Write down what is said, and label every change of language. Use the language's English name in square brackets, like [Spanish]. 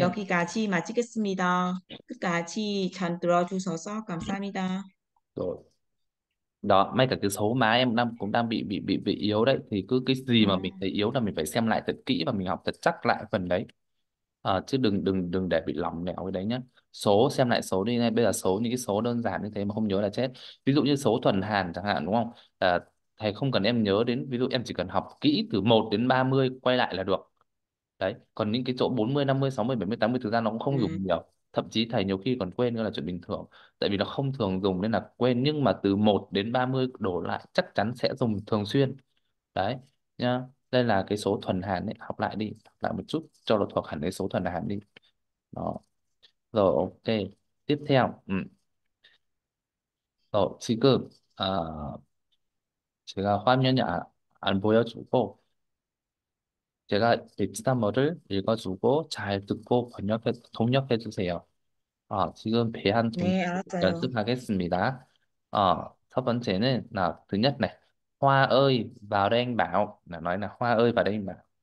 [Korean] 여기까지 마치겠습니다. 끝까지 잘 들어주셔서 감사합니다. [Vietnamese] đó mấy cả cái số mà em đang cũng đang bị yếu đấy, thì cứ cái gì mà mình thấy yếu là mình phải xem lại thật kỹ và mình học thật chắc lại phần đấy, chứ đừng đừng đừng để bị lỏng lẻo cái đấy nhá. Số xem lại số đi này, bây giờ số những cái số đơn giản như thế mà không nhớ là chết. Ví dụ như số thuần hàn chẳng hạn, đúng không? Thầy không cần em nhớ đến, ví dụ em chỉ cần học kỹ từ 1 đến 30 quay lại là được đấy. Còn những cái chỗ 40, 50, 60, 70, 80 thực ra nó cũng không dùng nhiều, thậm chí thầy nhiều khi còn quên nữa là chuyện bình thường, tại vì nó không thường dùng nên là quên. Nhưng mà từ 1 đến 30 đổ lại chắc chắn sẽ dùng thường xuyên đấy nhá. Đây là cái số thuần hàn đấy, học lại đi, học lại một chút cho nó thuộc hẳn cái số thuần hàn đi đó. Rồi ok, tiếp theo. Rồi chị cứ [Korean] 제가 화면이 안 보여주고 제가 베트남어를 읽어주고 잘 듣고 번역해 주세요. 지금 배한 동작 네, 알았어요. 연습하겠습니다. 첫 번째는 나 [Vietnamese] thứ nhất này, Hoa ơi vào đây anh bảo, là nói là Hoa ơi vào đây anh bảo.